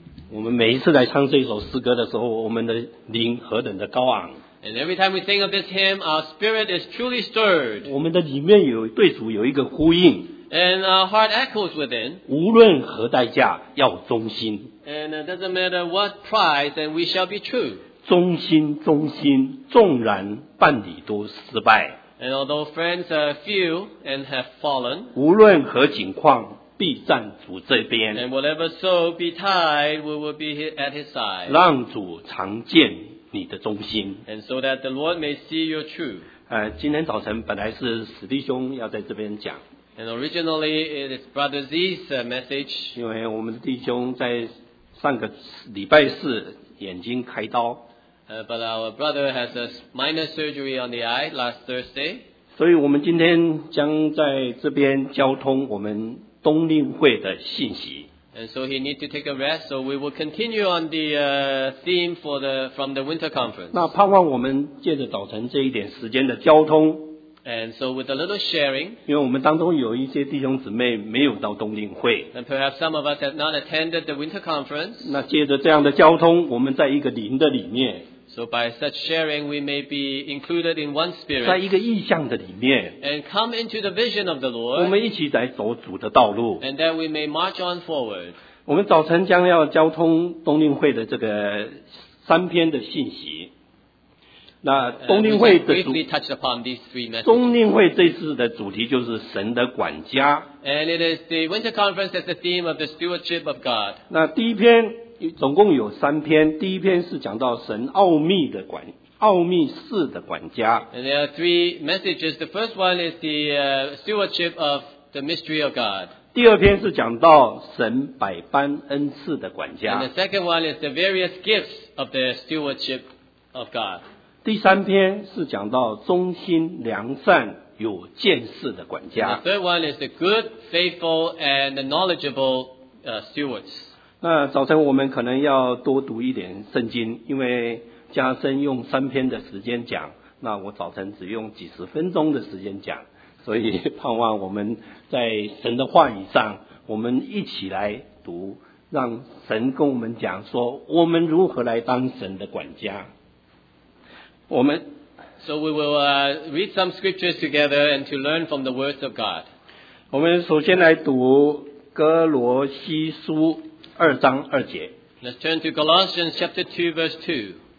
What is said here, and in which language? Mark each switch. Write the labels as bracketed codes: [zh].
[zh] 我们每一次来唱这首诗歌的时候，我们的灵何等的高昂。 [en] And every time we think of this hymn, our spirit is truly stirred. [zh] 我们的里面有对主有一个呼应。 [en] And our heart echoes within. [zh] 无论何代价，要忠心。 [en] And it doesn't matter what price, and we shall be true. [zh] 忠心，忠心，纵然伴侣都失败。 [en] And although friends are few and have fallen. [zh] 无论何境况。必站主这边 [en] and whatever soul be tied, we will be at his side. [zh] 让主常见你的忠心 [en] and so that the Lord may see your truth. [zh] 今天早晨本来是史弟兄要在这边讲 [en] and originally it is Brother Z's message. [zh] 因为我们的弟兄在上个礼拜四眼睛开刀 [en] but our brother has a minor surgery on the eye last Thursday. [zh] 所以我们今天将在这边交通我们冬令会的信息。 [en] And so he needs to take a rest, so we will continue on the theme for the, from the winter conference. [zh] 那盼望我们借着早晨这一点时间的交通。 [en] And so with a little sharing. [zh] 因为我们当中有一些弟兄姊妹没有到冬令会。 [en] And perhaps some of us have not attended the winter conference. [zh] 那借着这样的交通，我们在一个灵的里面。 [en] So by such sharing, we may be included in one spirit. [zh] 在一个意象的里面。 [en] And come into the vision of the Lord. [zh] 我们一起来走主的道路。 [en] And that we may march on forward. [zh] 我们早晨将要交通冬令会的这个三篇的信息。那冬令会的主 [en] 题 touched upon these three messages. [zh] 冬令会这次的主题就是神的管家。 [en] And it is the winter conference that's the theme of the stewardship of God. [zh] 那第一篇总共有三篇，第一篇是讲到神奥秘的管，奥秘式的管家。 [en] And there are three messages. The first one is the stewardship of the mystery of God. [zh] 第二篇是讲到神百般恩赐的管家。 [en] And the second one is the various gifts of the stewardship of God. [zh] 第三篇是讲到忠心良善有见识的管家。 [en] And the third one is the good, faithful, and knowledgeable stewards. [zh] 那早晨我们可能要多读一点圣经，因为加深用三篇的时间讲，那我早晨只用几十分钟的时间讲，所以盼望我们在神的话语上，我们一起来读，让神跟我们讲说，我们如何来当神的管家。我们 [en] So we will read some scriptures together and to learn from the words of God. [zh] 我们首先来读哥罗西书二章二节。 [en] Let's turn to Galatians chapter 2 verse 2.